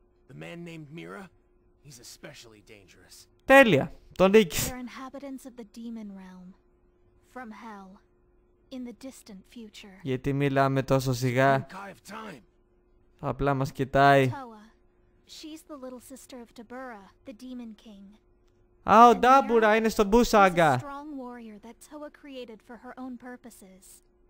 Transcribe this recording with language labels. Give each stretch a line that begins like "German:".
English: The man named Mira, he's especially dangerous.
Greek: Τέλεια. Τον νίκησε.
English: They're inhabitants of the demon realm. From hell. In the distant future.
Greek: Γιατί μιλάμε τόσο σιγά? Απλά μας κοιτάει.
English: She's the little sister of Dabura, the demon king.
Greek: Α, ο Ντάμπουρα είναι στον Μπου Σάγκα.
English: Strong warrior that Toa created for her own purposes.